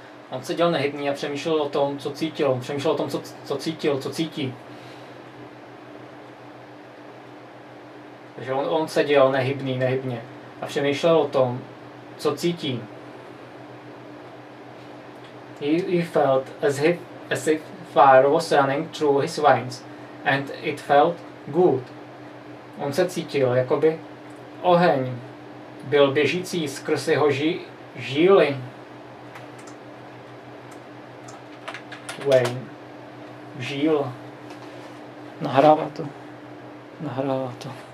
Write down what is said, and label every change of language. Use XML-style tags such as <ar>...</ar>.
<cs>On seděl nehybný a přemýšlel o tom, co cítil. Co cítí. Takže on seděl nehybně a přemýšlel o tom, co cítí.</cs> <en>He felt as if fire was running through his veins and it felt good.</en> <cs>On se cítil, jakoby oheň byl běžící skrz jeho žíly. Wayne. Žíl. Nahrává to.</cs>